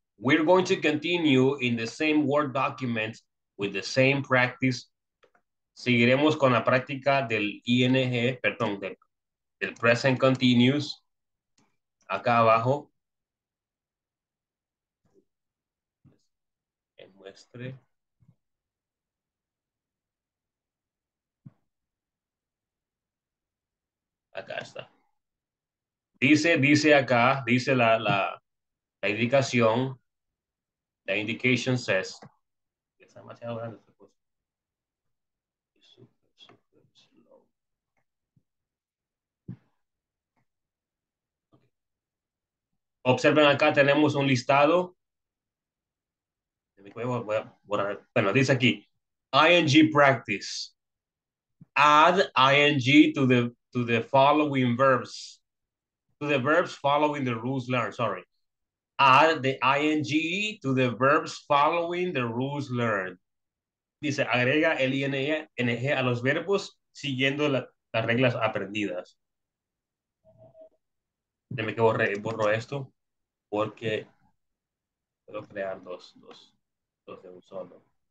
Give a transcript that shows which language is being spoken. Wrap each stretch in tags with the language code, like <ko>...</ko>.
<en>We're going to continue in the same Word document with the same practice.</en> <es>Seguiremos con la práctica del ING, perdón, del present continuous, acá abajo. Muestre. Acá está. Dice la indicación.</es> <en>The indication says, it's</en> <es>demasiado grande,</es> <en>of course. Super, super slow.</en> <es>Okay. Observen acá, tenemos un listado. Bueno, dice aquí, ING practice.</es> <en>Add ING to the following verbs. To the verbs following the rules learned, sorry. Add the ing to the verbs following the rules learned.</en> <es>Dice, agrega el ing a los verbos siguiendo las reglas aprendidas. Déjame que borro esto porque puedo crear dos de un solo.</es>